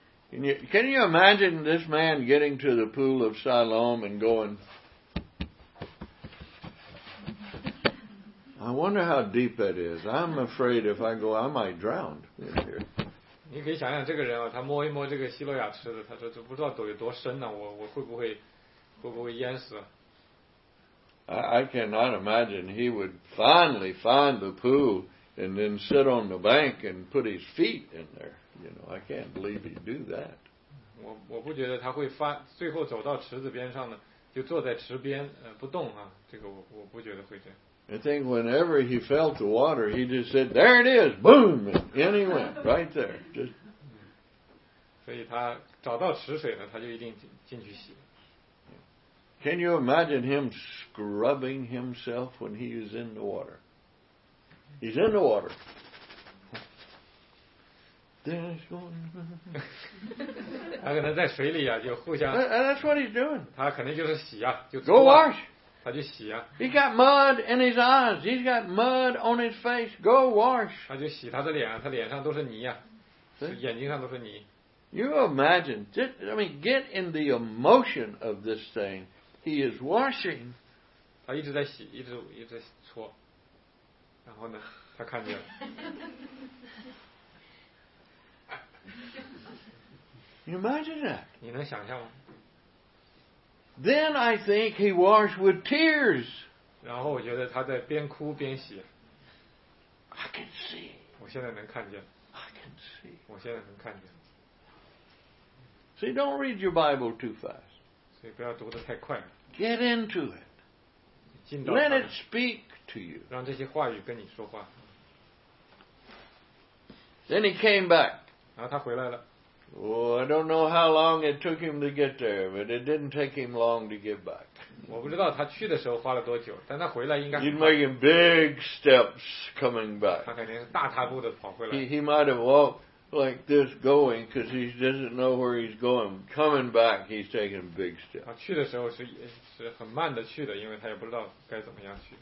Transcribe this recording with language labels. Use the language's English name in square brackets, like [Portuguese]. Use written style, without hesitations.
[English] Can you imagine this man getting to the pool of Siloam and going, I wonder how deep that is. I'm afraid if I go, I might drown in here. [Chinese] 你可以想想这个人啊，他摸一摸这个希罗亚池子，他说这不知道有多深呢，我会不会淹死？ [English] I cannot imagine he would finally find the pool and then sit on the bank and put his feet in there. You know, I can't believe he'd do that. [Chinese] 我不觉得他会发最后走到池子边上呢，就坐在池边不动啊。这个我不觉得会这样。 [English] I think whenever he felt the water, he just said, "There it is, boom!" And in he went, right there. Just. [Chinese] 所以他找到池水呢，他就一定进去洗。 [English] Can you imagine him scrubbing himself when he is in the water? He's in the water. That's what he's doing. [Chinese] 他可能就是洗啊，就做啊。 [English] Go wash. [Chinese] 他就洗啊。 [English] He's got mud in his eyes. He's got mud on his face. Go wash. [Chinese] 他就洗他的脸啊，他脸上都是泥啊，眼睛上都是泥。 [English] You imagine, just, I mean, get in the emotion of this thing. He is washing. [Chinese] 他一直在洗，一直搓。然后呢，他看见了。 [English] You imagine that? [Chinese] 你能想象吗？ [English] Then I think he washed with tears. [Chinese] 然后我觉得他在边哭边洗。 [English] I can see. [Chinese] 我现在能看见。 [English] I can see. [Chinese] 我现在能看见。 [English] See, don't read your Bible too fast. [Chinese] 所以不要读得太快。 [English] Get into it. [Chinese] 进到。 [English] Let it speak to you. [Chinese] 让这些话语跟你说话。 [English] Then he came back. [Chinese] 然后他回来了。 [English] Oh, I don't know how long it took him to get there, but it didn't take him long to get back. [Chinese] 我不知道他去的时候花了多久，但他回来应该。 [English] He's making big steps coming back. [Chinese] 他肯定是大踏步的跑回来。 [English] He might have walked like this going, because he doesn't know where he's going. Coming back, he's taking big steps. [Chinese] 他去的时候是很慢的去的，因为他也不知道该怎么样去。